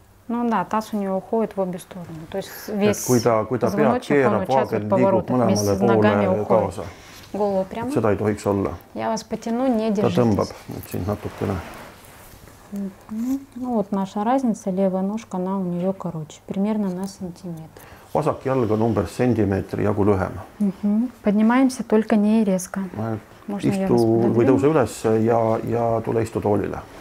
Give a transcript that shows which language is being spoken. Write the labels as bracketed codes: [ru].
[ru] No да, таз у него уходит в обе стороны. То есть весь [et] kui ta pead keerab, vaagel liigub mõlemale poole kaasa. [ru] Голову прямо. [et] Seda ei tohiks olla. [ru] Я вас потяну, не держитесь. [et] Ta tõmbab siin natukene. [ru] Ну вот наша разница, левая ножка, она у нее короче, примерно на сантиметр. [et] Vasak jalg on umbes sentimeetri jagu lühem. [ru] Поднимаемся, только не резко. [et] Istu või tõuse üles ja tule istu toolile.